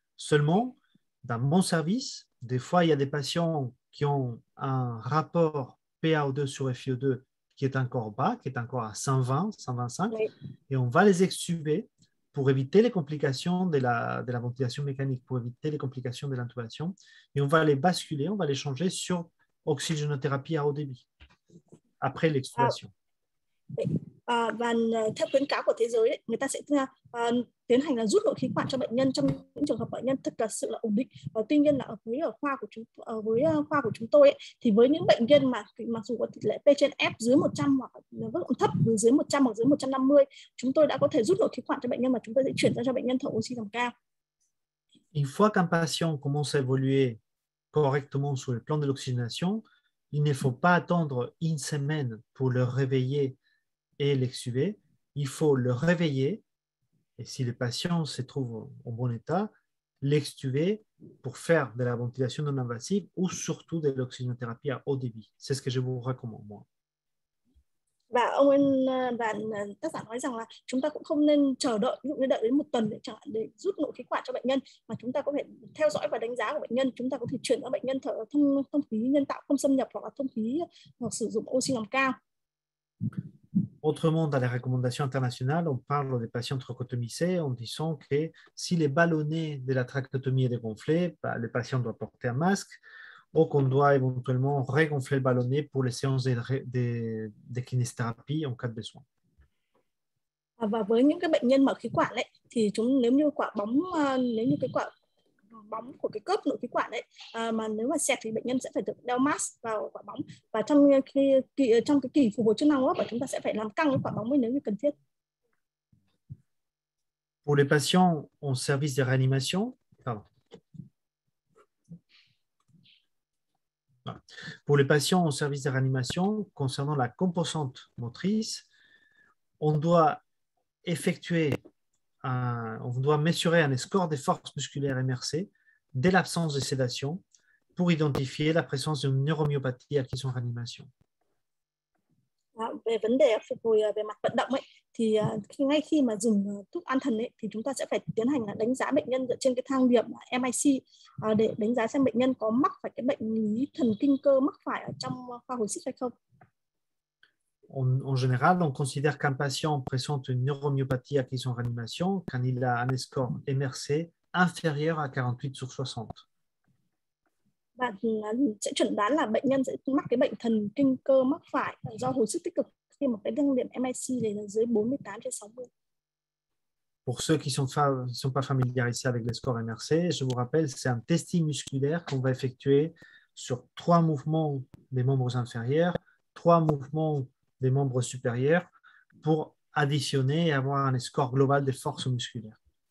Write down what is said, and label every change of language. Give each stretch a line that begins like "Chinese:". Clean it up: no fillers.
French: Seulement, dans mon service, des fois, il y a des patients qui ont un rapport PaO2 sur FiO2 qui est encore bas, qui est encore à 120, 125, oui. Et on va les extuber pour éviter les complications de la ventilation mécanique, pour éviter les complications de l'intubation. Et on va les basculer, on va les changer sur oxygénothérapie à haut débit, après l'extubation.
Vietnamese: Theo khuyến cáo của thế giới, người ta sẽ tiến hành là rút nội khí quản cho bệnh nhân trong những trường hợp bệnh nhân thực sự là ổn định. Tuy nhiên là với khoa của chúng tôi ấy, thì với những bệnh nhân mà mặc dù có tỷ lệ P trên F dưới 100 hoặc vẫn còn thấp dưới 100 hoặc dưới 150, chúng tôi đã có thể rút nội khí quản cho bệnh nhân mà chúng tôi sẽ chuyển ra cho bệnh nhân thở oxy dòng cao.
French: Une fois qu'un patient commence à évoluer correctement sur le plan de l'oxygénation, il ne faut pas attendre une semaine pour le réveiller et l'exuver, il faut le réveiller et si le patient se trouve en bon état, l'extuber pour faire de la ventilation non invasive ou surtout de l'oxygénothérapie à haut débit. C'est ce que je vous recommande, moi.
Vietnamese: Và ông bạn tác giả nói rằng là chúng ta cũng không nên chờ đợi, ví dụ như đợi đến một tuần để chẳng hạn để rút nội khí quản cho bệnh nhân, mà chúng ta có thể theo dõi và đánh giá của bệnh nhân. Chúng ta có thể chuyển cho bệnh nhân thở thông khí nhân tạo không xâm nhập hoặc là thông khí hoặc sử dụng oxy lòng cao.
French: Autrement, dans les recommandations internationales, on parle des patients trachotomisés en disant que si les ballonnets de la trachéotomie est dégonflé, bah, le patient doit porter un masque ou qu'on doit éventuellement regonfler le ballonnet pour les séances de kinésithérapie en cas de besoin.
Vietnamese: Và với những cái bệnh nhân mở khí quản ấy, thì chúng nếu như quả bóng nếu như cái quả bóng của cái cớp nội khí quản ấy mà nếu mà xẹt thì bệnh nhân sẽ phải được đeo mask vào quả bóng và trong cái kỳ phục hồi chức năng hô hấp chúng ta sẽ phải làm căng cái quả bóng nếu như cần thiết.
French: Pour les patients en service de réanimation, pardon. Pour les patients en service de réanimation, concernant la composante motrice, on doit effectuer mesurer un score des forces musculaires MRC dès l'absence de sédation pour identifier la présence d'une neuromyopathie acquise en réanimation.
Vietnamese: Về vấn đề phục hồi về mặt vận động ấy, thì ngay khi mà dùng thuốc an thần ấy, thì chúng ta sẽ phải tiến hành đánh giá bệnh nhân dựa trên cái thang điểm MIC để đánh giá xem bệnh nhân có mắc phải cái bệnh lý thần kinh cơ mắc phải ở trong khoa hồi sức hay không.
French: En général, on considère qu'un patient présente une neuromyopathie acquise en réanimation quand il a un score MRC inférieur à 48 sur 60.
Vietnamese: Sẽ chuẩn đoán là bệnh nhân sẽ mắc cái bệnh thần kinh cơ mắc phải do hồi sức tích cực khi mà cái thang điểm MIC này là dưới 48/60.
French: Pour ceux qui sont pas familiarisés avec les scores MRC, je vous rappelle, c'est un testing musculaire qu'on va effectuer sur trois mouvements des membres inférieurs, trois mouvements des membres supérieurs pour additionner et avoir un score global des forces musculaires.